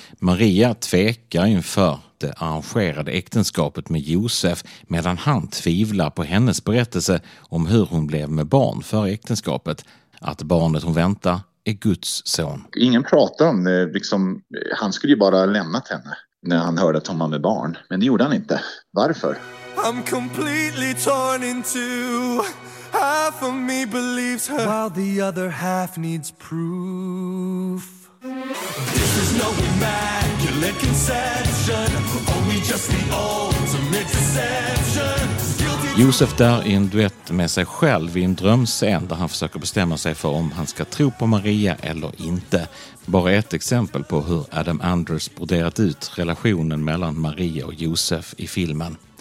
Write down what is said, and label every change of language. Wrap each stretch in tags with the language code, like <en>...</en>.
<sv>Maria tvekar inför det arrangerade äktenskapet med Josef medan han tvivlar på hennes berättelse om hur hon blev med barn för äktenskapet. Att barnet hon väntar är Guds son. Ingen pratar om det. Liksom, han skulle ju bara lämnat henne när han hörde att hon var med barn. Men det gjorde han inte. Varför?</sv> <en>I'm completely torn in two. Half of me believes her, while the other half needs proof. This is no immaculate conception, only just the ultimate deception.</en> <sv>Josef där i en duett med sig själv i en drömscen där han försöker bestämma sig för om han ska tro på Maria eller inte. Bara ett exempel på hur Adam Anders broderat ut relationen mellan Maria och Josef i filmen.</sv>